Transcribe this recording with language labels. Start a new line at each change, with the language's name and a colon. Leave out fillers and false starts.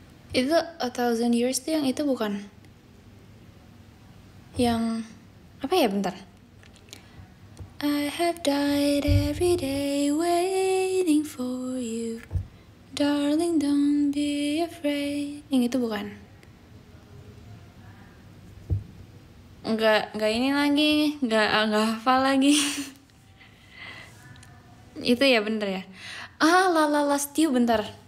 Indonesian: Itu A Thousand Years tuh yang itu bukan? Yang apa ya, bentar.
English: I have died every day waiting for you, darling, don't be afraid.
Indonesian: Yang itu bukan? Enggak ini lagi, enggak hafal lagi. Itu ya, bener ya. Ah, La La Last You, bentar.